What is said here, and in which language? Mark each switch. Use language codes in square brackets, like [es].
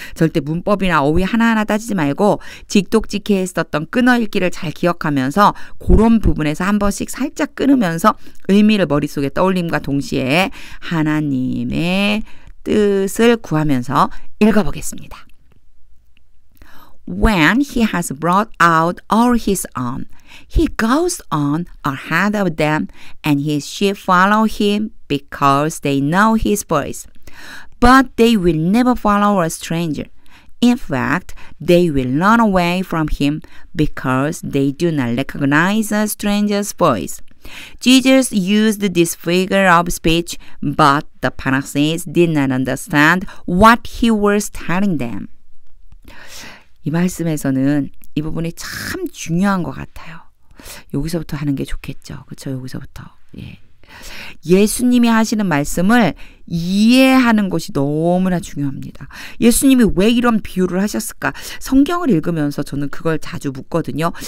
[ko] 절대 문법이나 어휘 하나하나 따지지 말고 직독직해 했었던 끊어읽기를 잘 기억하면서 그런 부분에서 한 번씩 살짝 끊으면서 의미를 머릿속에 떠올림과 동시에 하나님의 뜻을 구하면서 읽어보겠습니다. [en] When he has brought out all his own, he goes on ahead of them, and his sheep follow him because they know his voice. But they will never follow a stranger. In fact, they will run away from him because they do not recognize a stranger's voice. Jesus used this figure of speech, but the Pharisees did not understand what he was telling them. [ko] 이 말씀에서는 이 부분이 참 중요한 것 같아요. 여기서부터 하는 게 좋겠죠. 그렇죠? 여기서부터. 예. 예수님이 하시는 말씀을 이해하는 것이 너무나 중요합니다. 예수님이 왜 이런 비유를 하셨을까? 성경을 읽으면서 저는 그걸 자주 묻거든요.